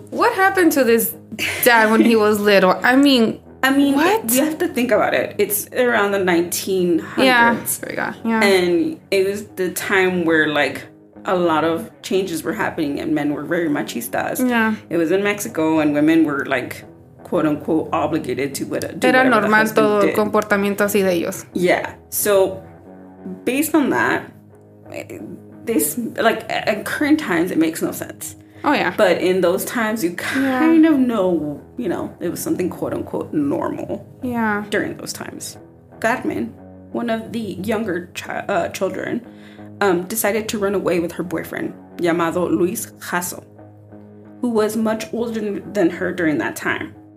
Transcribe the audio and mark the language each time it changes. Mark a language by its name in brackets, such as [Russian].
[English] what happened to this dad when he was little? I mean, what? You have to think about it. It's around the 1900s. Yeah. And it was the time where, like, a lot of changes were happening and men were very machistas. Yeah. It was in Mexico and women were, like, quote-unquote, obligated to do whatever. [Spanish] Era normal todo el comportamiento así de ellos. [English] Yeah. So, based on that, this, like, in current times, it makes no sense. Oh, yeah. But in those times, you kind of know, you know, it was something, quote-unquote, normal. Yeah. During those times. Carmen, one of the younger children, decided to run away with her boyfriend, llamado Luis Jasso, who was much older than her during that time.